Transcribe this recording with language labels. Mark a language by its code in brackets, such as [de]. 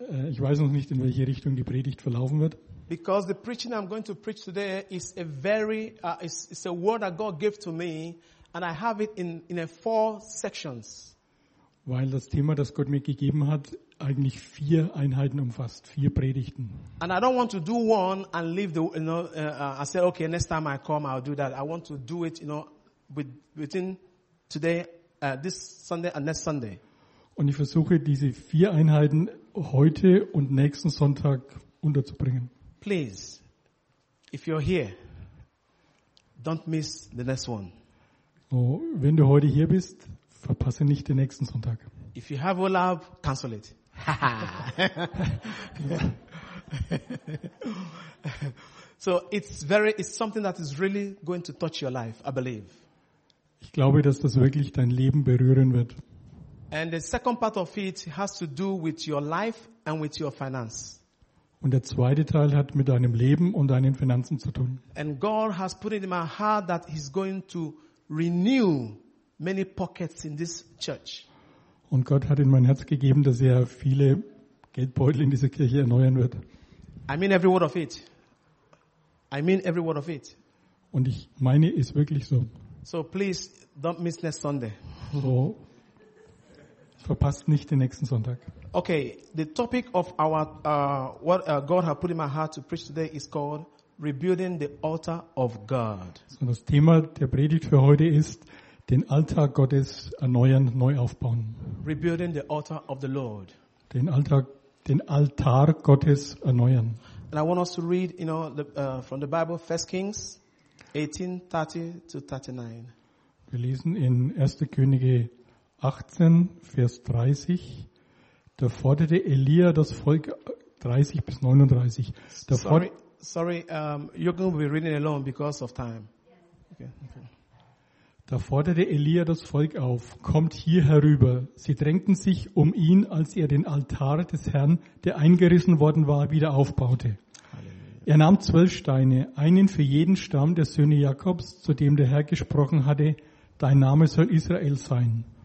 [de] Ich weiß noch nicht, in welche Richtung die Predigt verlaufen wird. [en] Because the preaching I'm going to preach today is a very, it's a word that God gave to me, and I have it in a 4 sections. [de] Weil das Thema, das Gott mir gegeben hat, eigentlich 4 Einheiten umfasst, 4 Predigten. [en] And I don't want to do one and leave the, you know, I say, okay, next time I come, I'll do that. I want to do it, you know, within today this Sunday and next Sunday. [de] Und ich versuche, diese vier Einheiten heute und nächsten Sonntag unterzubringen. [en] Please, if you're here, don't miss the next one. [de] Oh, wenn du heute hier bist, verpasse nicht den nächsten Sonntag. [en] If you have Urlaub, cancel it. So it's something that is really going to touch your life, I believe. [de] Ich glaube, dass das wirklich dein Leben berühren wird. [en] And the second part of it has to do with your life and with your finance. [de] Und der zweite Teil hat mit deinem Leben und deinen Finanzen zu tun. [en] And God has put it in my heart that he's going to renew many pockets in this church. [de] Und Gott hat in mein Herz gegeben, dass er viele Geldbeutel in dieser Kirche erneuern wird. [en] I mean every word of it. I mean every word of it. [de] Und ich meine es wirklich so. [en] So please don't miss next Sunday. [de] So verpasst nicht den nächsten Sonntag. [en] Okay, the topic of our what God has put in my heart to preach today is called Rebuilding the Altar of God. [de] So das Thema der Predigt für heute ist den Altar Gottes erneuern, neu aufbauen. [en] Rebuilding the Altar of the Lord. [de] Den Altar Gottes erneuern. [en] And I want us to read, you know, from the Bible, 1 Kings 18, 30 to 39. [de] Wir lesen in 1. Könige 18, Vers 30. Da forderte Elia das Volk 30 bis 39. [en] You're going to be reading alone because of time. [de] Da forderte Elia das Volk auf, kommt hier herüber. Sie drängten sich um ihn, als er den Altar des Herrn, der eingerissen worden war, wieder aufbaute. Er nahm 12 Steine, einen für jeden Stamm der Söhne Jakobs, zu dem der Herr gesprochen hatte, dein Name soll Israel sein.